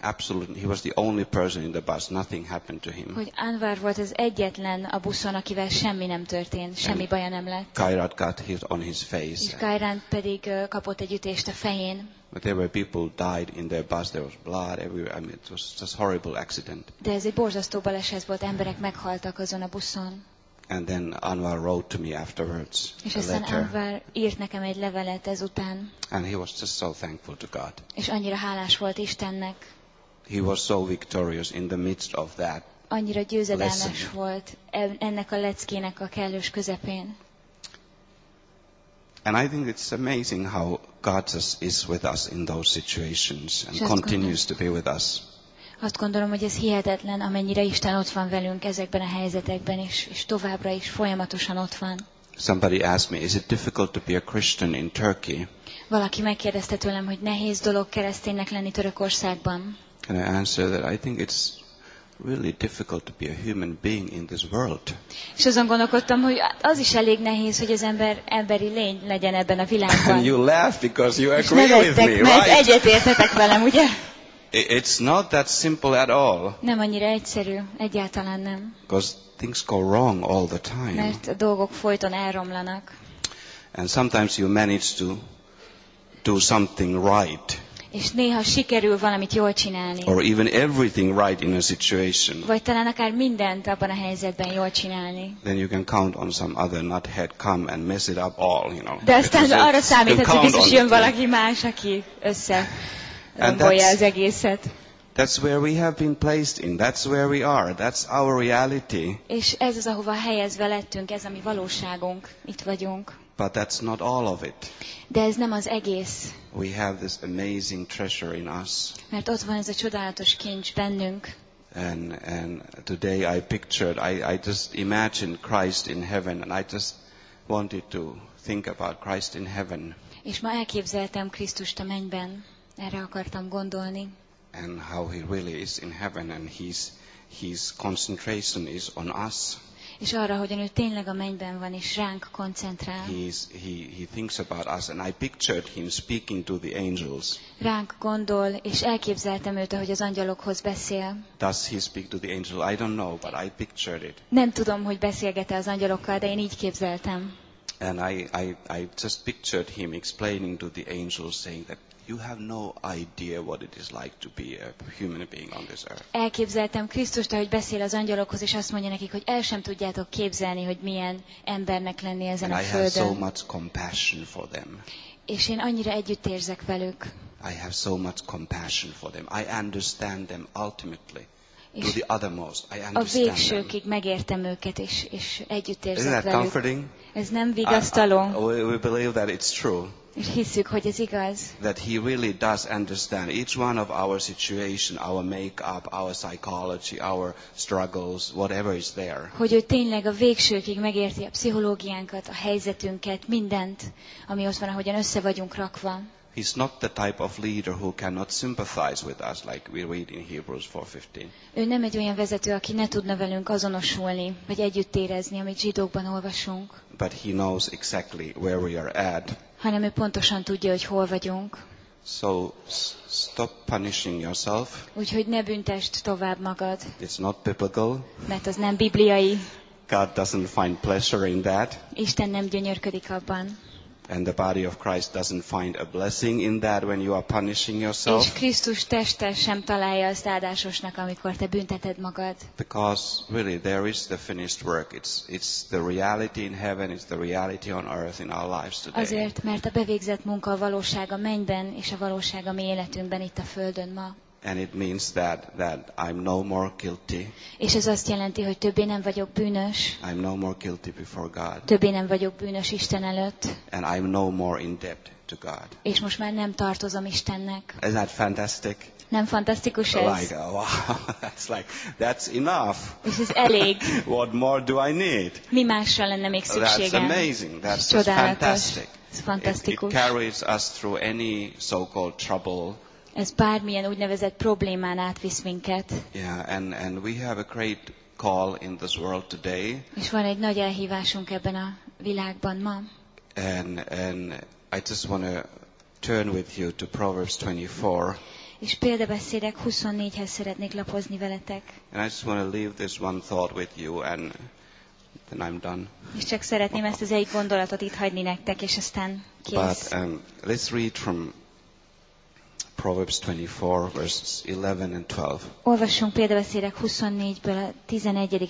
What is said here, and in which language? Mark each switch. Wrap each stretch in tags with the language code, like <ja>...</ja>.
<en>Absolutely, he was the only person in the bus. Nothing happened to him.</en> <hu>Hogy Anwar volt az egyetlen a buszon, akivel semmi nem történt, semmi</hu> <en>and</en> <hu>baja nem lett.</hu> <en>Kairat got hit on his face.</en> <hu>És Kairat pedig kapott egy ütést a fején.</hu> <en>But there were people died in their bus. There was blood everywhere. I mean, it was just horrible accident.</en> <hu>De ez egy borzasztó baleset volt. Emberek meghaltak azon a buszon.</hu> <en>And then Anwar wrote to me afterwards.</en> <hu>És aztán Anwar írt nekem egy levelet ezután.</hu> <en>And he was just so thankful to God.</en> <hu>És annyira hálás volt Istennek.</hu> <en>He was so victorious in the midst of that.</en> <hu>Annyira győzedelmes volt ennek a leckének a kellős közepén.</hu> <en>And I think it's amazing how God just is with us in those situations and continues to be with us.</en> <hu>Azt gondolom, hogy ez hihetetlen, amennyire Isten ott van velünk ezekben a helyzetekben is, és továbbra is folyamatosan ott van.</hu> <en>Somebody asked me, is it difficult to be a Christian in Turkey?</en> <hu>Valaki megkérdezte tőlem, hogy nehéz dolog kereszténynek lenni Törökországban.</hu> <en>And I answered that I think it's really difficult to be a human being in this world.</en> <hu>És azon gondolkodtam, hogy az is elég nehéz, hogy az ember emberi lény legyen ebben a világban.</hu> <en>And you laugh because you agree with me, right?</en> <hu>Egyetértetek velem, ugye?</hu> <en>It's not that simple at all.</en> <hu>Nem annyira egyszerű, egyáltalán nem.</hu> <en>Because things go wrong all the time.</en> <hu>Mert a dolgok folyton elromlanak.</hu> <en>And sometimes you manage to do something right.</en> <hu>És néha sikerül valamit jól csinálni.</hu> <en>Or even everything right in a situation.</en> <hu>Vagy talán akár mindent abban a helyzetben jól csinálni.</hu> <en>Then you can count on some other nuthead come and mess it up all, you know.</en> <hu>De aztán arra számíthatsz, hogy biztos jön valaki más, aki össze.</hu> <en>And that's,</en> <hu>az egészet.</hu> <en>That's where we have been placed in. That's where we are. That's our reality.</en> <hu>És ez az, ahova helyezve lettünk, ez a mi valóságunk. Itt vagyunk.</hu> <en>But that's not all of it.</en> <hu>De ez nem az egész.</hu> <en>We have this amazing treasure in us.</en> <hu>Mert ott van ez a csodálatos kincs bennünk.</hu> <en>And today I pictured, I just imagined Christ in heaven, and I just wanted to think about Christ in heaven.</en> <hu>És ma elképzeltem Krisztust a mennyben. Erre akartam gondolni.</hu> <en>And how he really is in heaven, and his concentration is on us.</en> <hu>És arra, hogyan ő tényleg a mennyben van, és ránk koncentrál.</hu> <en>He thinks about us, and I pictured him speaking to the angels.</en> <hu>Ránk gondol, és elképzeltem őt, ahogy az angyalokhoz beszél.</hu> <en>Does he speak to the angel? I don't know, but I pictured it.</en> <hu>Nem tudom, hogy beszélgete az angyalokkal, de én így képzeltem.</hu> <en>And I just pictured him explaining to the angels, saying that you have no idea what it is like to be a human being on this earth.</en> <hu>Elképzeltem Krisztust, ahogy beszél az angyalokhoz, és azt mondja nekik, hogy el sem tudjátok képzelni, hogy milyen embernek lenni ezen</hu> <en>and I have so much compassion for them.</en> <hu>És én annyira együtt érzek velük.</hu> <en>I have so much compassion for them. I understand them ultimately. To the uttermost, I understand.</en> <hu>A végsőkig megértem őket, és együtt érzek velük.</hu> <en>Isn't that comforting?</en> <hu>Ez nem vigasztaló.</hu> <en>We believe that it's true.</en> <hu>És hiszük, hogy ez igaz.</hu> <en>That he really does understand each one of our situation, our makeup, our psychology, our struggles, whatever is there.</en> <hu>Hogy ő tényleg a végsőkig megérti a pszichológiánkat, a helyzetünket, mindent, ami ott van, ahogyan össze vagyunk rakva.</hu> <en>He's not the type of leader who cannot sympathize with us, like we read in Hebrews 4:15.</en> <hu>Ő nem egy olyan vezető, aki ne tudna velünk azonosulni, vagy együtt érezni, amit Zsidókban olvasunk.</hu> <en>But he knows exactly where we are at.</en> <hu>Hanem ő pontosan tudja, hogy hol vagyunk.</hu> <en>So stop punishing yourself.</en> <hu>Úgyhogy ne büntesd tovább magad.</hu> <en>It's not biblical.</en> <hu>Mert az nem bibliai.</hu> <en>God doesn't find pleasure in that.</en> <hu>Isten nem gyönyörködik abban.</hu> <en>And the body of Christ doesn't find a blessing in that when you are punishing yourself.</en> <hu>És Krisztus teste sem találja azt áldásosnak, amikor te bünteted magad.</hu> <en>Because really there is the finished work. It's the reality in heaven, it's the reality on earth in our lives today.</en> <hu>Azért, mert a bevégzett munka a valóság a mennyben, és a valóság a mi életünkben itt a földön ma.</hu> <en>And it means that I'm no more guilty.</en> <hu>És ez azt jelenti, hogy többé nem vagyok bűnös.</hu> <en>I'm no more guilty before God.</en> <hu>Többé nem vagyok bűnös Isten előtt.</hu> <en>And I'm no more in debt to God.</en> <hu>És most már nem tartozom Istennek.</hu> <en>Is that fantastic?</en> <hu>Nem fantasztikus ez?</hu> <en>Like, oh, wow. It's like, that's enough.</en> <hu>És ez elég.</hu> <en>What more do I need?</en> <hu>Mi másra lenne még szükségem?</hu> <en>That's amazing. That's fantastic.</en> <hu>Ez fantasztikus.</hu> <en>It carries us through any so-called trouble.</en> <hu>Ez bármilyen úgynevezett problémán átvisz minket.</hu> <en>Yeah, and we have a great call in this world today.</en> <hu>És van egy nagy elhívásunk ebben a világban ma.</hu> <en>And I just want to turn with you to Proverbs 24.</en> <hu>És Példabeszédek 24-hez szeretnék lapozni veletek.</hu> <en>And I just want to leave this one thought with you and then I'm done.</en> <hu>És csak szeretném ezt az egy gondolatot itt hagyni nektek, és aztán kész.</hu> <en>But let's read from Proverbs 24, verses 11 and 12.</en> <hu>Olvassunk Példabeszédek 24-ből a 11.</hu>